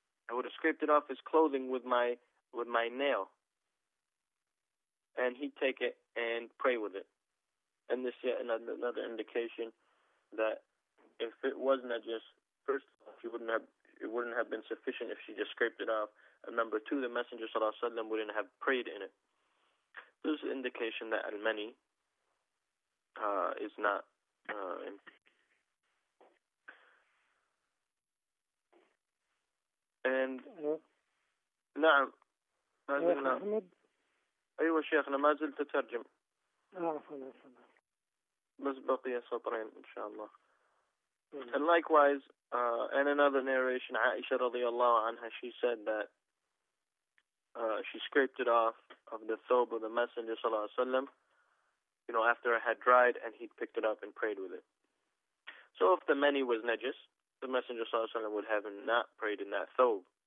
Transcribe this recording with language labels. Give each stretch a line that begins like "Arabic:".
English: I would have scraped it off his clothing with my nail. And he'd take it and pray with it. And this yet another indication that if it was najis, first of all, it wouldn't have been sufficient if she just scraped it off. And number two, the Messenger sallallahu alaihi wasallam wouldn't have prayed in it. This is an indication that al-mani is not And
Arabic: نعم ما زلنا أيوة شيخنا ما زلت تترجم بس بقي سطرين إن شاء الله.
English: And likewise, in another narration, Aisha radiallahu anha, she said that she scraped it off of the thobe of the Messenger sallallahu alaihi wasallam, you know, after it had dried, and he picked it up and prayed with it. So if the mani was najis, the Messenger sallallahu alaihi wasallam would have not prayed in that thobe.